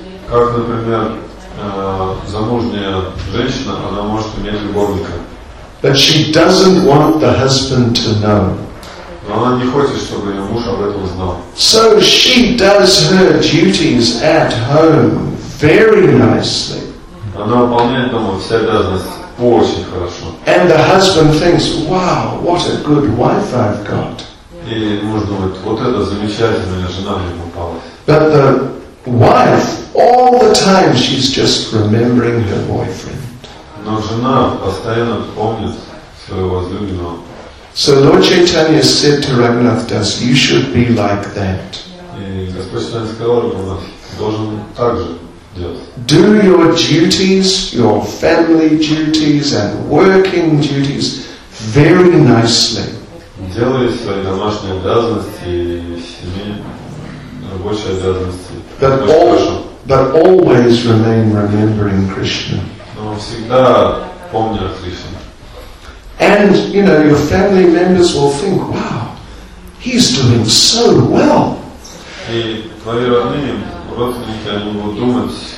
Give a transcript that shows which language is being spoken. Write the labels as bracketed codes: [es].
[ru] Как, например, замужняя женщина, она может иметь любовника. [en] But she doesn't want the husband to know. [ru] Но она не хочет, чтобы ее муж об этом знал. [en] So she does her duties at home very nicely. [ru] Она выполняет дома все обязанности очень хорошо. [en] And the husband thinks, wow, what a good wife I've got. [ru] И муж думает, вот это замечательная жена мне попалась. [en] But the wife, all the time she's just remembering her boyfriend. [ru] Но жена постоянно помнит своего возлюбленного. [en] So Lord Chaitanya said to Raghunath Das, you should be like that. [ru] И Господь Chaitanya сказал, Раганат, должен так же. [en] Do your duties, your family duties and working duties very nicely. [ru] Делай свои домашние обязанности и семейные рабочие обязанности. [en] But always remain remembering Krishna. [ru] Но всегда помни о Кришне. [en] And you know your family members will think, wow, he's doing so well. [ru] И твои родные, родственники, они будут думать.